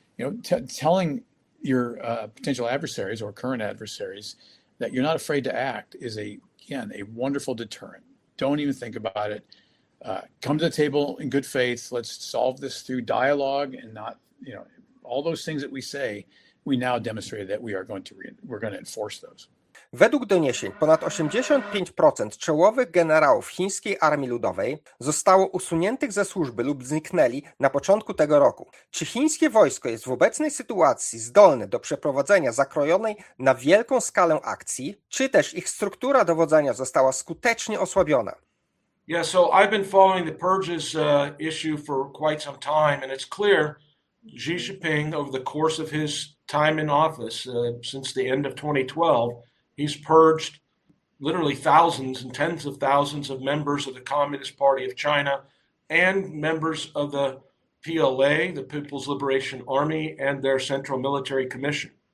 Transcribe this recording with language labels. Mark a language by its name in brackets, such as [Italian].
[English] You know, telling your potential adversaries or current adversaries that you're not afraid to act is, a wonderful deterrent. Don't even think about it. Come to the table in good faith. Let's solve this through dialogue and not, you know, all those things that we say, we now demonstrate that we are going to enforce those. [Polish] Według doniesień, ponad 85% czołowych generałów Chińskiej Armii Ludowej zostało usuniętych ze służby lub zniknęli na początku tego roku. Czy chińskie wojsko jest w obecnej sytuacji zdolne do przeprowadzenia zakrojonej na wielką skalę akcji, czy też ich struktura dowodzenia została skutecznie osłabiona? [English] Yeah, so I've been following the purges issue for quite some time, and it's clear Xi Jinping, over the course of his time in office since the end of 2012, he's purged literally thousands and tens of thousands of members of the Communist Party of China and members of the PLA, the People's Liberation Army, and their Central Military Commission.